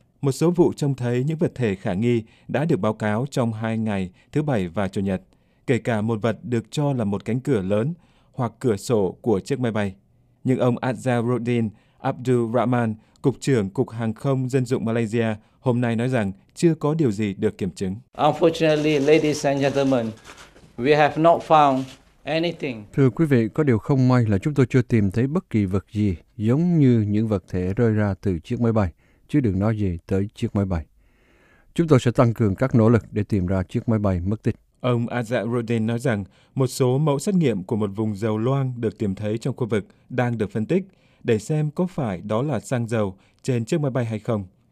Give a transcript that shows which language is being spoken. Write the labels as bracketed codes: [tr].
[vi] Một số vụ trông thấy những vật thể khả nghi đã được báo cáo trong 2 ngày thứ Bảy và Chủ nhật, kể cả một vật được cho là một cánh cửa lớn hoặc cửa sổ của chiếc máy bay. Nhưng ông Azharuddin, Abdul Rahman, Cục trưởng Cục Hàng không Dân dụng Malaysia, hôm nay nói rằng chưa có điều gì được kiểm chứng. [en] Unfortunately, ladies and gentlemen, we have not found anything. [vi] Thưa quý vị, có điều không may là chúng tôi chưa tìm thấy bất kỳ vật gì giống như những vật thể rơi ra từ chiếc máy bay, chứ đừng nói gì tới chiếc máy bay. Chúng tôi sẽ tăng cường các nỗ lực để tìm ra chiếc máy bay mất tích. Ông Azaruddin nói rằng một số mẫu xét nghiệm của một vùng dầu loang được tìm thấy trong khu vực đang được phân tích để xem có phải đó là xăng dầu trên chiếc máy bay hay không.